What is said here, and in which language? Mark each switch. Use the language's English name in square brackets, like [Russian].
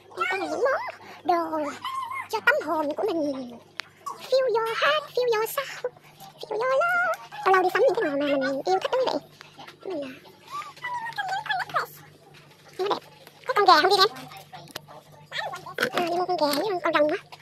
[Vietnamese] Còn những món đồ cho tâm hồn của mình. [English] Feel your heart, feel your soul, feel your love. [Vietnamese] Lâu lâu đi sắm những cái đồ mà mình yêu thích đúng vậy. Mình nó đẹp. Có con gà không đi em? À, đi mua con gà với con rồng á.